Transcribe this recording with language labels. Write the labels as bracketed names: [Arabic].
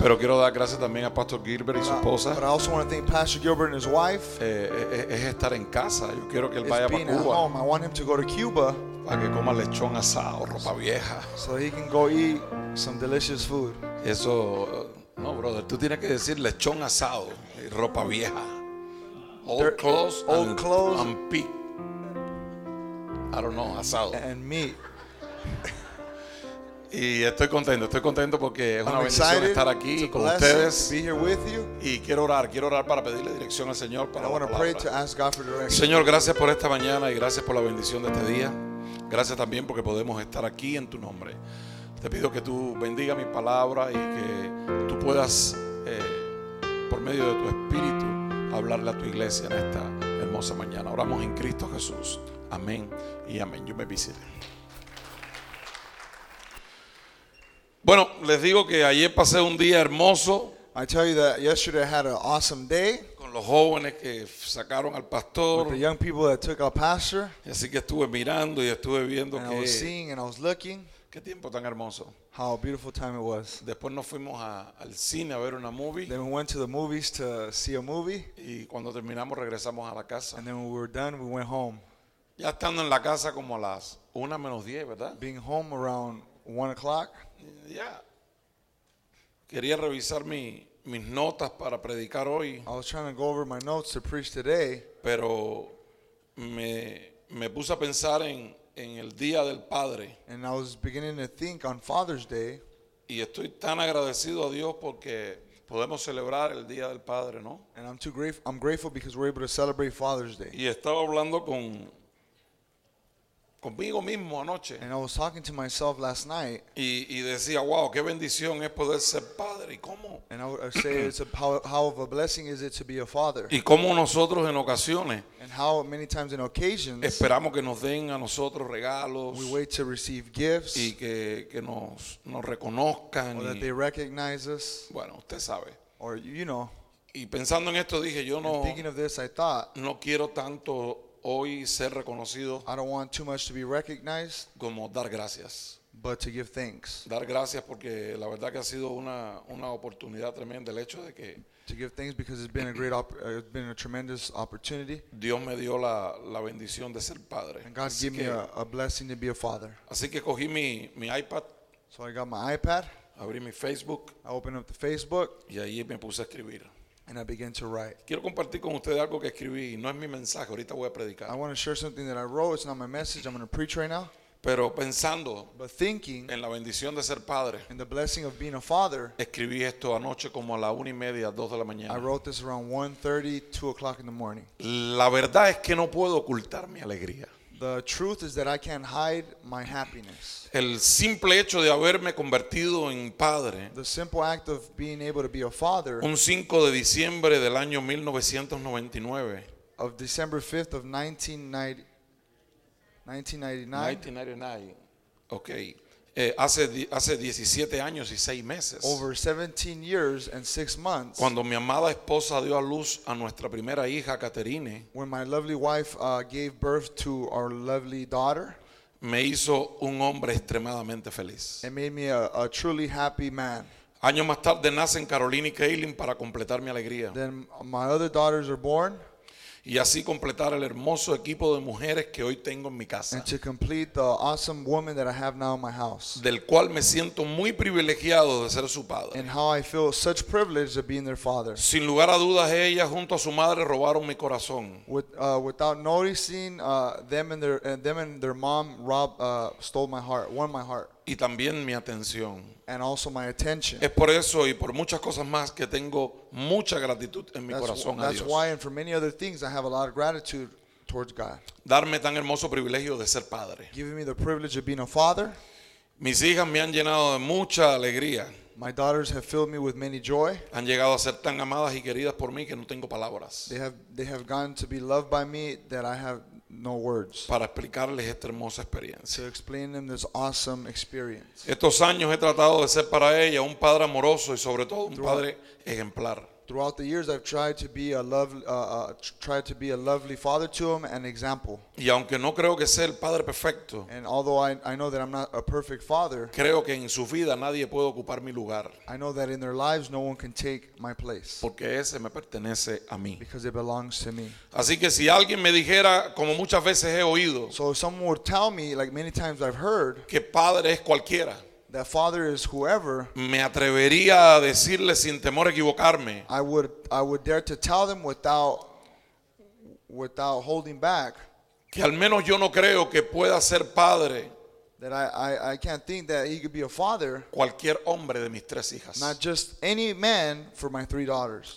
[Spanish] Pero quiero dar gracias también a Pastor Gilbert y su esposa. [English] But I also want to thank Pastor Gilbert and his wife. [Spanish] Es estar en casa. Yo quiero que él vaya para Cuba. [English] It's being at home. I want him to go to Cuba. [Spanish] Para que coma lechón asado, ropa vieja. [English] So he can go eat some delicious food. [Spanish] Eso, no, brother, tú tienes que decir lechón asado y ropa vieja. [English] Old clothes and pig. I don't know, asado. And meat. [Spanish] Y estoy contento porque es una bendición estar aquí con ustedes. [English] Be here with you. [Spanish] Y quiero orar para pedirle dirección al Señor para. [English] I want to pray to ask God for direction. [Spanish] Señor, gracias por esta mañana y gracias por la bendición de este día. Gracias también porque podemos estar aquí en tu nombre. Te pido que tú bendiga mi palabra y que tú puedas, por medio de tu espíritu, hablarle a tu iglesia en esta hermosa mañana. Oramos en Cristo Jesús. Amén y amén. Yo me visite. Bueno, les digo que ayer pasé un día hermoso. [English] I tell you that yesterday I had an awesome day. [Spanish] Los jóvenes que sacaron al pastor. [English] The young people that took our pastor. [Spanish] Así que estuve mirando y estuve viendo [English] que. I was seeing and I was looking. [Spanish] Qué tiempo tan hermoso. [English] How beautiful time it was. [Spanish] Después nos fuimos al cine a ver una movie. [English] Then we went to the movies to see a movie. [Spanish] Y cuando terminamos regresamos a la casa. [English] And then when we were done, we went home. [Spanish] Ya estando en la casa como a las 1:50, ¿verdad? [English] Being home around 1:00. [Spanish] Ya. Quería revisar mis notas para predicar hoy. [English] I was trying to go over my notes to preach today. [Spanish] Pero me puse a pensar en el día del padre. [English] And I was beginning to think on Father's Day. [Spanish] Y estoy tan agradecido a Dios porque podemos celebrar el día del padre, ¿no? [English] And I'm grateful because we're able to celebrate Father's Day. [Spanish] Y estaba hablando conmigo mismo anoche. [English] And I was talking to myself last night. [Spanish] Y decía, wow, qué bendición es poder ser padre. ¿Y cómo? [English] And I would say, how of a blessing is it to be a father? [Spanish] ¿Y cómo nosotros en ocasiones? [English] And how many times in occasions? [Spanish] Esperamos que nos den a nosotros regalos. [English] We wait to receive gifts. [Spanish] Y que nos reconozcan. [English] Or that they recognize us. [Spanish] Bueno, usted sabe. [English] Or you know. [Spanish] Y pensando en esto dije, yo no. [English] And thinking of this, I thought. [Spanish] No quiero tanto. Hoy ser reconocido. [English] I don't want too much to be recognized. [Spanish] Como dar gracias. [English] But to give thanks. [Spanish] Dar gracias porque la verdad que ha sido una oportunidad tremenda el hecho de que. [English] To give thanks because it's been a great it's been a tremendous opportunity. [Spanish] Dios me dio la bendición de ser padre. [English] And God gave me a blessing to be a father. [Spanish] Así que cogí mi iPad. [English] So I got my iPad. [Spanish] Abrí mi Facebook. [English] I opened up the Facebook. [Spanish] Y ahí me puse a escribir. [English] And I began to write. [Spanish] Quiero compartir con ustedes algo que escribí. No es mi mensaje. Ahorita voy a predicar. [English] I want to share something that I wrote. It's not my message. I'm going to preach right now. [Spanish] Pero pensando. [English] But thinking. [Spanish] En la bendición de ser padre. [English] In the blessing of being a father. [Spanish] Escribí esto anoche como a la 1:30, 2 de la mañana. [English] I wrote this around 1:30, 2:00 in the morning. [Spanish] La verdad es que no puedo ocultar mi alegría. [English] The truth is that I can't hide my happiness. [Spanish] El simple hecho de haberme convertido en padre. [English] The simple act of being able to be a father. [Spanish] Un 5 de diciembre del año 1999. [English] Of December 5th of 1999. [Spanish] Okay. Hace 17 años y 6 meses. [English] Over 17 years and 6 months. [Spanish] Cuando mi amada esposa dio a luz a nuestra primera hija, Caterine. [English] When my lovely wife gave birth to our lovely daughter. [Spanish] Me hizo un hombre extremadamente feliz. [English] It made me a truly happy man. [Spanish] Años más tarde nacen Caroline y Kaylin para completar mi alegría. [English] Then my other daughters are born. [Spanish] Y así completar el hermoso equipo de mujeres que hoy tengo en mi casa. [English] And to complete the awesome woman that I have now in my house. [Spanish] Del cual me siento muy privilegiado de ser su padre. [English] And how I feel such privilege of being their father. [Spanish] Sin lugar a dudas, ella junto a su madre robaron mi corazón. [English] Without noticing, them and their mom stole my heart, won my heart. [Spanish] y también mi atención. [English] And also my attention. [Spanish] Es por eso y por muchas cosas más que tengo mucha gratitud en mi corazón a Dios. [English] That's why and for many other things I have a lot of gratitude towards God. [Spanish] Darme tan hermoso privilegio de ser padre. [English] Giving me the privilege of being a father. [Spanish] Mis hijas me han llenado de mucha alegría. [English] My daughters have filled me with many joy. [Spanish] Han llegado a ser tan amadas y queridas por mí que no tengo palabras. [English] They have gotten to be loved by me that I have no words. [Spanish] Para explicarles esta hermosa experiencia. [English] To explain them this awesome experience. [Spanish] Estos años he tratado de ser para ella un padre amoroso y sobre todo un padre ejemplar. [English] Throughout the years I've tried to be a lovely father to him, an example. [Spanish] Y aunque no creo que sea el padre perfecto, [English] and although I know that I'm not a perfect father, [Spanish] creo que en su vida nadie puede ocupar mi lugar. [English] I know that in their lives no one can take my place. [Spanish] Porque ese me pertenece a mí. [English] Because it belongs to me. [Spanish] Así que si alguien me dijera, como muchas veces he oído, [English] so if someone would tell me, like many times I've heard, [Spanish] que padre es cualquiera. [English] That father is whoever. [Spanish] Me atrevería a decirle sin temor a equivocarme. [English] I would dare to tell them without holding back. [Spanish] Que al menos yo no creo que pueda ser padre. [English] That I can't think that he could be a father. [Spanish] Cualquier hombre de mis tres hijas. [English] Not just any man for my three daughters.